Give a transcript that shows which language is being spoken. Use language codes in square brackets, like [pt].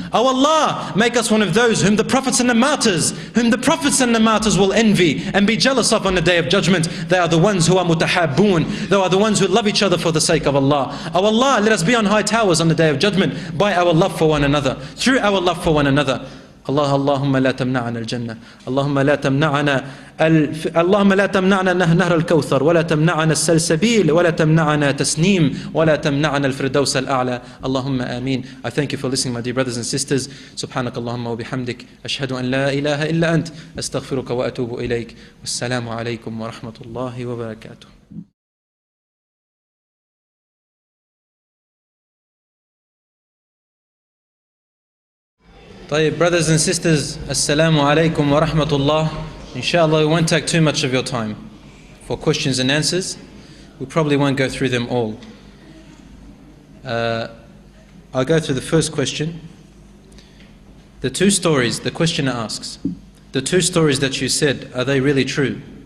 [en] O Allah, make us one of those whom the prophets and the martyrs, whom the prophets and the martyrs will envy and be jealous of on the day of judgment. They are the ones who are mutahabboon. They are the ones who love each other for the sake of Allah. O Allah, let us be on high towers on the day of judgment by our love for one another, through our love for one another. [ar] Allahumma la tamna'ana al-jannah. Allahumma la tamna'ana اللهم لا تمنعنا نهر الكوثر ولا تمنعنا السلسبيل ولا تمنعنا تسنيم ولا تمنعنا الفردوس الأعلى اللهم آمين. [en] I thank you for listening, my dear brothers and sisters. [ar] سبحانك اللهم وبحمدك أشهد أن لا إله إلا أنت أستغفرك وأتوب إليك. والسلام عليكم ورحمة الله وبركاته. طيب [en] brothers and sisters, [ar] السلام عليكم ورحمة الله. [en] Inshallah, we won't take too much of your time for questions and answers. We probably won't go through them all. I'll go through the first question. The two stories, the questioner asks, the two stories that you said, are they really true?